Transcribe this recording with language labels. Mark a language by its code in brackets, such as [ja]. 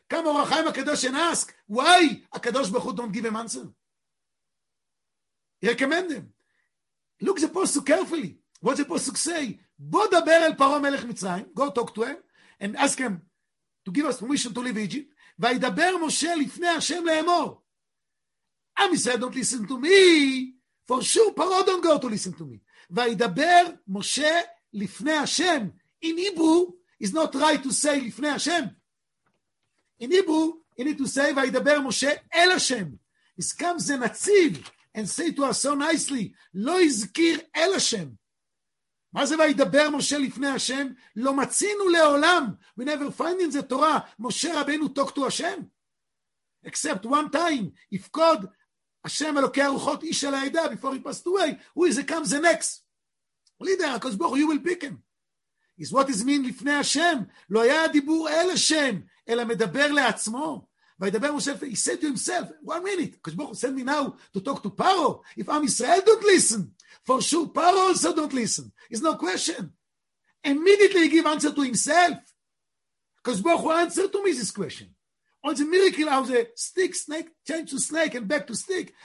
[en] Come Or HaChaim HaKadosh and ask, why HaKadosh Baruch Hu don't give him answer? He recommend him. Look the posuk carefully. What the posuk say? [he] Bo daber el Paro Melech Mitzrayim. [en] Go talk to him and ask him to give us permission to leave Egypt. [he] וידבר משה לפני השם לאמור. [en] עם ישראל don't listen to me. For sure, פרעה don't go to listen to me. [he] וידבר משה לפני השם. [en] In Hebrew, it's not right to say לפני השם. In Hebrew, you need to say [he] וידבר משה אל השם. [en] It comes the נציב and say to us so nicely, [he] לא הזכיר אל השם. מה זה וידבר משה לפני השם? לא מצינו לעולם. [en] We never find in the Torah, משה רבנו talk to השם. Except one time, [he] יפקוד השם אלוקי הרוחות איש על העדה, [en] before he passed away, who is it comes the next? Leader, הקדוש ברוך הוא, you will pick him. Is what is mean [he] לפני השם? לא היה הדיבור אל השם, אלא מדבר לעצמו. וידבר משה, [en] he said to himself, one minute, הקדוש ברוך הוא, send me now to talk to Paro. If I'm Israel, don't listen. For sure, Paro also don't listen. It's no question. Immediately he give answer to himself. Because Baruch Hu answer to me this question. On the miracle of the stick, snake, change to snake and back to stick.